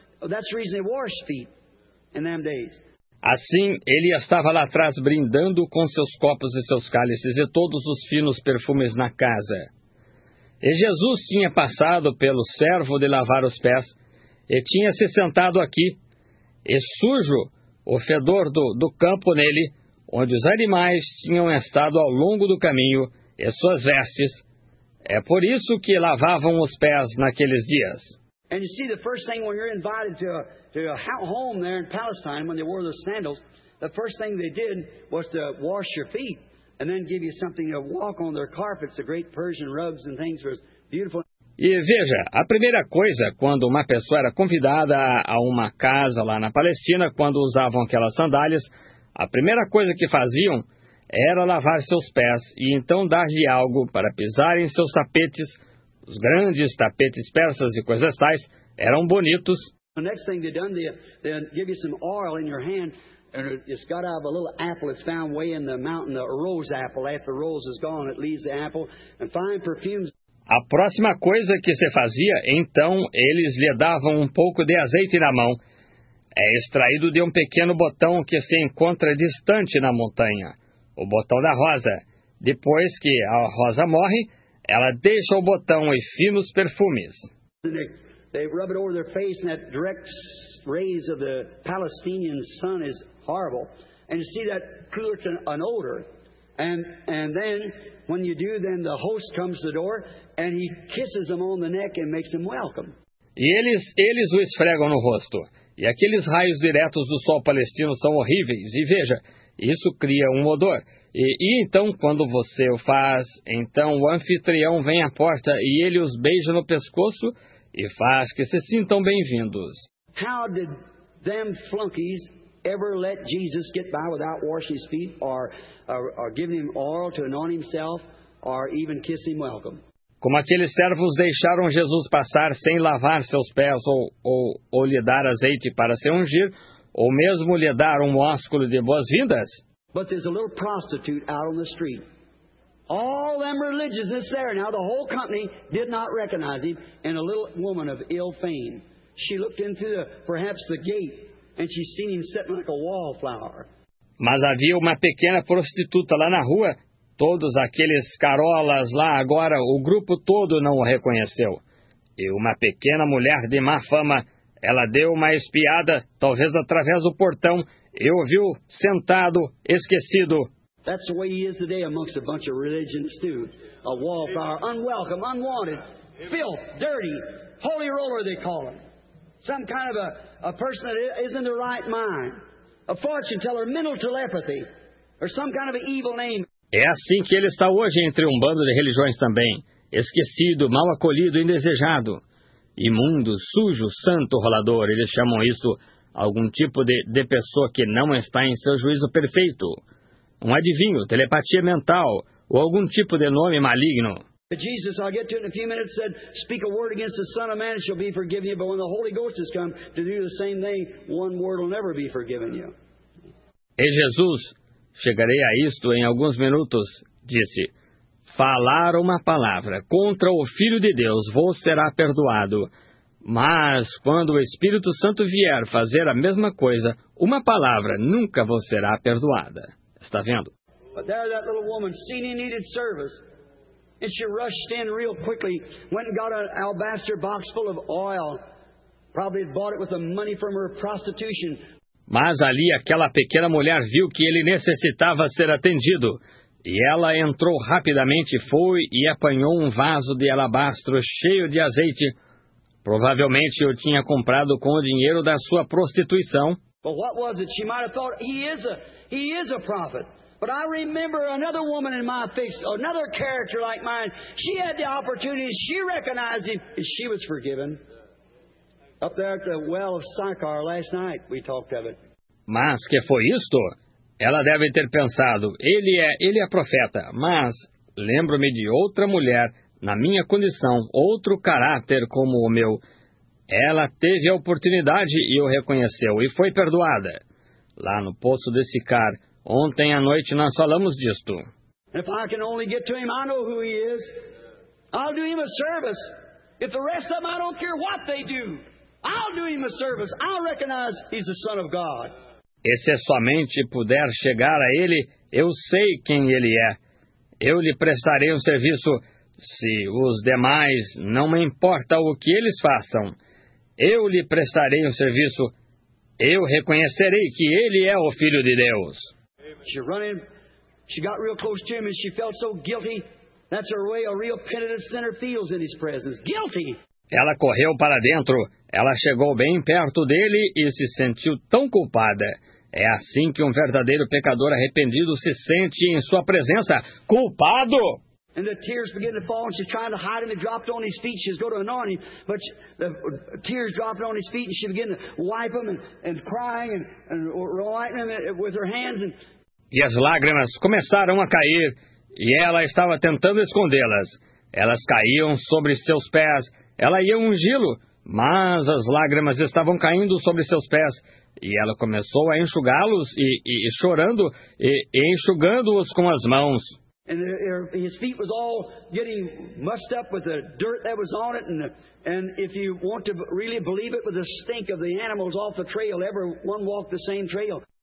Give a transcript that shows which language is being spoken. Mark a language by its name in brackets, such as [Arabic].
[English] That's the reason they wore his feet in them days. [Portuguese] Assim, ele estava lá atrás brindando com seus copos e seus cálices e todos os finos perfumes na casa. E Jesus tinha passado pelo servo de lavar os pés e tinha se sentado aqui. E sujo o fedor do campo nele, onde os animais tinham estado ao longo do caminho e suas vestes. É por isso que lavavam os pés naqueles dias. [English] And you see, the first thing when you're invited to a home there in Palestine, when they wore the sandals, the first thing they did was to wash your feet and then give you something to walk on their carpets, the great Persian rugs and things were beautiful. [Portuguese] E veja, a primeira coisa, quando uma pessoa era convidada a uma casa lá na Palestina, quando usavam aquelas sandálias, a primeira coisa que faziam era lavar seus pés e então dar-lhe algo para pisar em seus tapetes. Os grandes tapetes persas e coisas tais eram bonitos. [English] The next thing they've done, they give you some oil in your hand, and it's got out of a little apple that's found way in the mountain, a rose apple. After the rose is gone, it leaves the apple, and fine perfumes. [Portuguese] A próxima coisa que se fazia, então, eles lhe davam um pouco de azeite na mão. É extraído de um pequeno botão que se encontra distante na montanha, o botão da rosa. Depois que a rosa morre, ela deixa o botão e finos perfumes. [English] They rub it over their face, and that direct rays of the Palestinian sun is horrible. And you see that creates an odor. And then when you do, then the host comes to the door, and he kisses them on the neck and makes them welcome. [Portuguese] E eles o esfregam no rosto. E aqueles raios diretos do sol palestino são horríveis. E veja, isso cria um odor. E então, quando você o faz, então o anfitrião vem à porta e ele os beija no pescoço e faz que se sintam bem-vindos. [English] How did them flunkies ever let Jesus get by without washing his feet or giving him oil to anoint himself or even kiss him welcome? [Portuguese] Como aqueles servos deixaram Jesus passar sem lavar seus pés ou lhe dar azeite para se ungir ou mesmo lhe dar um ósculo de boas-vindas? [English] But there's a little prostitute out on the street. All them religious is there. Now the whole company did not recognize him. And a little woman of ill fame. She looked into perhaps the gate. And she seen him sitting like a wallflower. [Portuguese] Mas havia uma pequena prostituta lá na rua. Todos aqueles carolas lá agora, o grupo todo não o reconheceu. E uma pequena mulher de má fama, ela deu uma espiada, talvez através do portão, e o viu sentado, esquecido. [English] That's the way he is today amongst a bunch of religionists too. A wallflower, unwelcome, unwanted, filth, dirty, holy roller they call him. Some kind of a person that isn't in the right mind. A fortune teller, mental telepathy, or some kind of an evil name. [Portuguese] É assim que ele está hoje entre um bando de religiões também. Esquecido, mal acolhido, indesejado. Imundo, sujo, santo, rolador, eles chamam isso algum tipo de pessoa que não está em seu juízo perfeito. Um adivinho, telepatia mental, ou algum tipo de nome maligno. [English] Jesus, I'll get to it in a few minutes, said, speak a word against the Son of Man, shall be forgiven you, but when the Holy Ghost has come to do the same thing, one word will never be forgiven you. [Portuguese] E Jesus, chegarei a isto em alguns minutos, disse, falar uma palavra contra o Filho de Deus, vou será perdoado. Mas quando o Espírito Santo vier fazer a mesma coisa, uma palavra nunca vos será perdoada. Está vendo? [English] But there that little woman, seeing he needed service, and she rushed in real quickly, went and got an alabaster box full of oil, probably bought it with the money from her prostitution. [Portuguese] Mas ali aquela pequena mulher viu que ele necessitava ser atendido, e ela entrou rapidamente, foi e apanhou um vaso de alabastro cheio de azeite. Provavelmente o tinha comprado com o dinheiro da sua prostituição. [English] But what was it? She might have thought he is a prophet. But I remember another woman in my face, another character like mine. She had the opportunity. She recognized him, and she was forgiven. Up there at the well of Sychar last night, we talked of it. [Portuguese] Mas que foi isto? Ela deve ter pensado. Ele é profeta. Mas lembro-me de outra mulher na minha condição, outro caráter como o meu. Ela teve a oportunidade e o reconheceu, e foi perdoada. Lá no Poço de Sicar, ontem à noite nós falamos disto. [English] If I can only get to him, I know who he is. I'll do him a service. If the rest of them, I don't care what they do. I'll do him a service. I'll recognize he's the Son of God. [Portuguese] E se somente puder chegar a ele, eu sei quem ele é. Eu lhe prestarei um serviço. Se os demais, não me importa o que eles façam, eu lhe prestarei um serviço. Eu reconhecerei que ele é o Filho de Deus. [English] She ran in, she got real close to him and she felt so guilty. That's her way a real penitent sinner feels in his presence. Guilty! [Portuguese] Ela correu para dentro. Ela chegou bem perto dele e se sentiu tão culpada. É assim que um verdadeiro pecador arrependido se sente em sua presença. Culpado! [English] And the tears begin to fall, and she's trying to hide him. It dropped on his feet. She's going to anoint him, but the tears dropped on his feet, and she began to wipe him and crying and wiping him with her hands. And... [Portuguese] E as lágrimas começaram a cair, e ela estava tentando escondê-las. Elas caíam sobre seus pés. Ela ia ungí-lo, mas as lágrimas estavam caindo sobre seus pés. E ela começou a enxugá-los e chorando e enxugando-os com as mãos. [English] And his feet was all getting mussed up with the dirt that was on it, and if you want to really believe it, with the stink of the animals off the trail, everyone walked the same trail.